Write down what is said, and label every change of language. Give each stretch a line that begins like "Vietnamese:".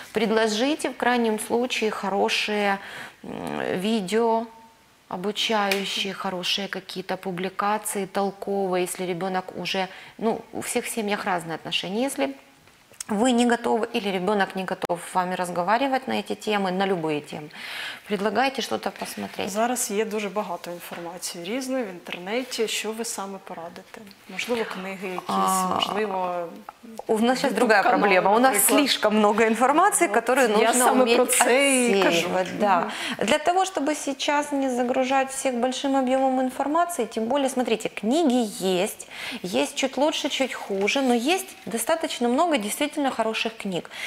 Russian: Предложите в крайнем случае хорошее видео, обучающие, хорошие какие-то публикации, толковые, если ребенок уже, ну, у всех семьях разные отношения, если вы не готовы или ребенок не готов с вами разговаривать на эти темы, на любые темы, предлагайте что-то посмотреть.
Ukrainian: Зараз є дуже багато інформації різної в інтернеті, що ви саме порадите? Можливо, книги якісь, можливо...
Russian: У нас сейчас другая проблема. У нас слишком много информации, которую нужно уметь отсеивать. Да. Для того, чтобы сейчас не загружать всех большим объемом информации, тем более, смотрите, книги есть, есть чуть лучше, чуть хуже, но есть достаточно много действительно хороших книг.